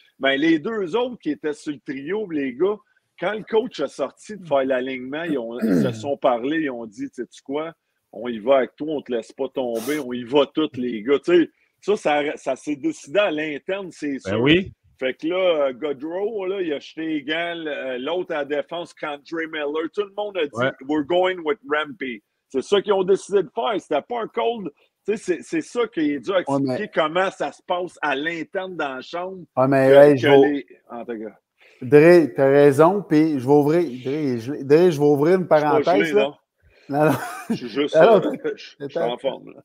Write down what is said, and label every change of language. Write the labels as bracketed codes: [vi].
[fr] Mais les deux autres qui étaient sur le trio, les gars, quand le coach a sorti de faire l'alignement, ils se sont parlé, ils ont dit, tu sais quoi, on y va avec toi, on te laisse pas tomber, on y va tous les gars, tu sais. Ça s'est décidé à l'interne, c'est sûr. Ben oui. Fait que là, Gaudreau, là, il a jeté égal. L'autre à la défense, Country Miller. Tout le monde a dit, [en] we're going with Rampy. [fr] C'est ça qu'ils ont décidé de faire. C'était pas un cold. C'est ça qui est dû expliquer comment ça se passe à l'interne dans la chambre. Ah, mais hey, Dré, t'as raison. Puis je vais ouvrir. Dré, je vais ouvrir une parenthèse. Je suis en forme.